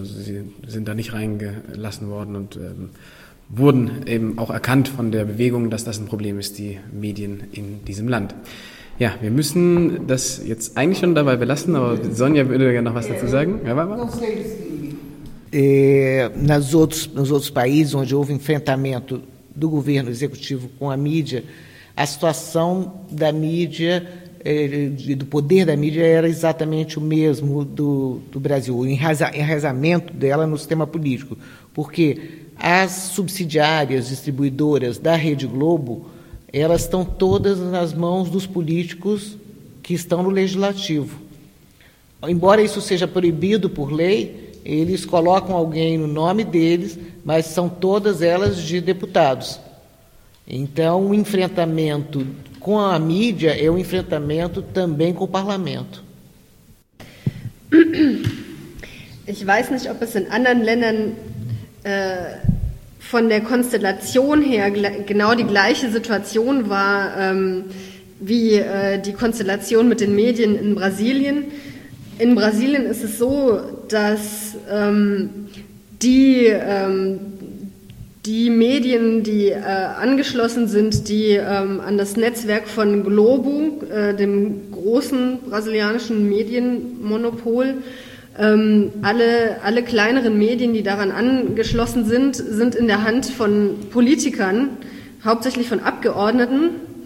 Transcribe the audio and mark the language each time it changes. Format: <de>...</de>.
<de>Also sie sind da nicht reingelassen worden und wurden eben auch erkannt von der Bewegung, dass das ein Problem ist, die Medien in diesem Land. Ja, wir müssen das jetzt eigentlich schon dabei belassen, aber Sonja würde gerne noch was dazu sagen. Ja, warte mal.</de> <pt>Nos outros países onde houve enfrentamento do governo executivo com a mídia, a situação da mídia, do poder da mídia era exatamente o mesmo do Brasil, o enraizamento dela no sistema político, porque as subsidiárias distribuidoras da Rede Globo, elas estão todas nas mãos dos políticos que estão no legislativo. Embora isso seja proibido por lei, eles colocam alguém no nome deles, mas são todas elas de deputados. Então, o enfrentamento com a mídia é um enfrentamento também com o parlamento.</pt> <de>Ich weiß nicht, ob es in anderen Ländern von der Konstellation her genau die gleiche Situation war wie die Konstellation mit den Medien in Brasilien. In Brasilien ist es so, dass die Medien, die angeschlossen sind, die an das Netzwerk von Globo, dem großen brasilianischen Medienmonopol, alle kleineren Medien, die daran angeschlossen sind, sind in der Hand von Politikern, hauptsächlich von Abgeordneten.</de>